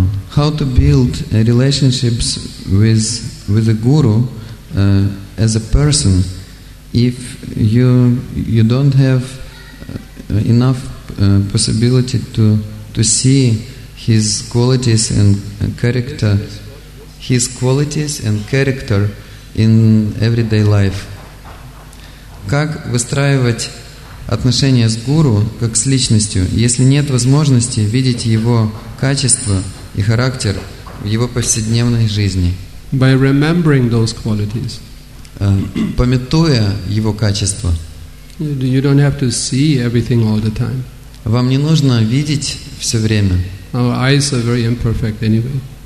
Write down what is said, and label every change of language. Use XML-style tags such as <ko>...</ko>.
<en>How to build relationships with a guru as a person if you don't have enough possibility to see his qualities and character, his qualities and character in everyday life.</en> <ru>Как выстраивать отношения с гуру как с личностью, если нет возможности видеть его качества и характер в его повседневной жизни?</ru> <en>By remembering those qualities.</en> <ru>Памятуя его качества.</ru> <en>You don't have to see everything all the time.</en> <ru>Вам не нужно видеть все время.</ru> <en>Our eyes are very imperfect anyway.</en>